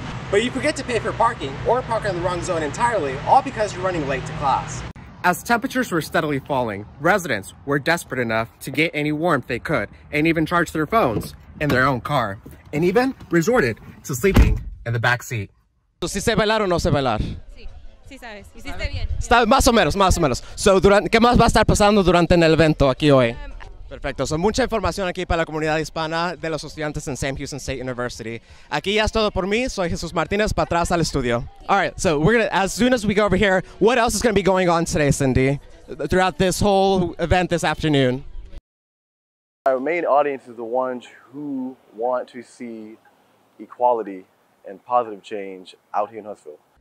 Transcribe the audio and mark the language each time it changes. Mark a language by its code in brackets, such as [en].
[en] But you forget to pay for parking or park in the wrong zone entirely, all because you're running late to class. As temperatures were steadily falling, residents were desperate enough to get any warmth they could and even charge their phones in their own car and even resorted to sleeping in the back seat. [es] So, si sabe bailar o no sabe bailar? Sí, sabes. Hiciste bien. Está más o menos. So, ¿qué más va a estar pasando durante el evento aquí hoy? Perfecto. So, mucha información aquí para la comunidad hispana de los estudiantes en Sam Houston State University. Aquí ya es todo por mí. Soy Jesús Martínez. Para atrás al estudio. [en] All right. So, as soon as we go over here, what else is going to be going on today, Cindy, throughout this whole event this afternoon? Our main audience is the ones who want to see equality and positive change out here in Huntsville.